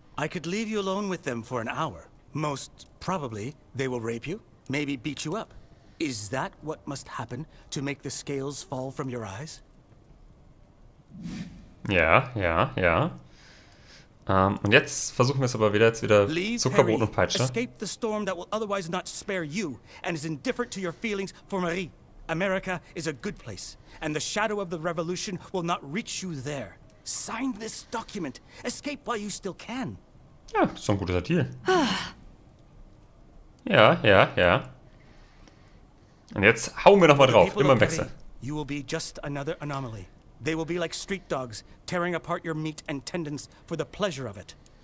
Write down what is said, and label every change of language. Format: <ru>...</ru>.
<en>I could leave you alone with them for an hour. Most probably, they will rape you, maybe beat you up. Is that what must happen to make the scales fall from your eyes?</en> <de>Ja. Und jetzt versuchen wir es aber wieder Zuckerbrot und Peitsche.</de> <en>Escape the storm that will otherwise not spare you and is indifferent to your feelings for Marie. America is a good place, and the shadow of the revolution will not reach you there. Sign this document. Escape while you still can.</en> <de>Ja, das ist doch ein guter Deal. Ja. Und jetzt hauen wir nochmal drauf, immer im Wechsel.</de> <en>You will be just another anomaly. They will be like street dogs, tearing apart your meat and tendons for the pleasure of it.</en>